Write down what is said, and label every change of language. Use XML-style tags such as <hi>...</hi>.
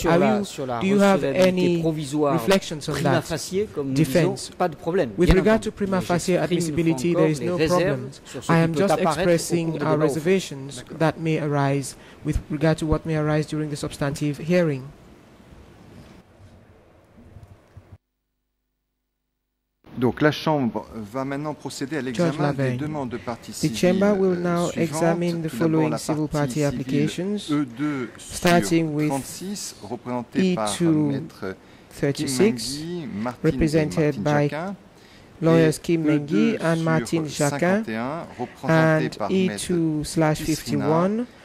<en>Do you have any reflections on that?</en> <fr>Facie, comme</fr> <en>defense.</en> <fr>Disons, pas de problème.</fr> <en>With regard to prima facie admissibility, there is no problem. I am just expressing our reservations that may arise with regard to what may arise during the substantive hearing.</en> <fr>Donc la Chambre va maintenant procéder à l'examen des demandes de parties civiles.</fr> <en>The Chamber will now examine the following civil party applications, starting with E2/36, represented by lawyers Kim Mengi and Martine Jacquin, and E2/51,</en>